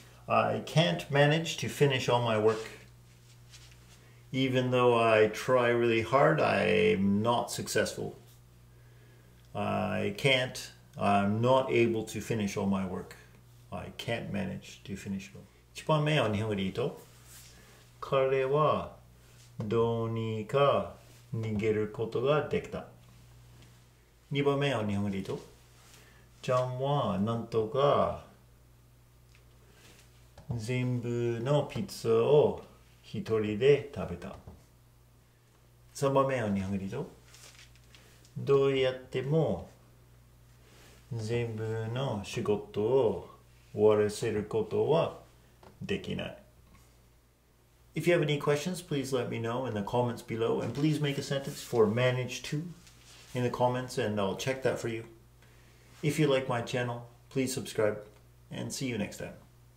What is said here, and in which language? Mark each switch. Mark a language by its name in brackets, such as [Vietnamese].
[English] I can't manage to finish all my work. Even though I try really hard, I'm not successful. I'm not able to finish all my work. I can't manage to finish all. [Japanese] 一番目は日本語で言うと、彼はどうにか逃げることができた。二番目は日本語で言うと、ジャンはなんとか全部のピッツァを一人で食べた。三番目は日本語で言うと、どうやっても全部の仕事を終わらせることはできない。 [English] If you have any questions, please let me know in the comments below, and please make a sentence for manage to in the comments, and I'll check that for you. If you like my channel, please subscribe, and see you next time.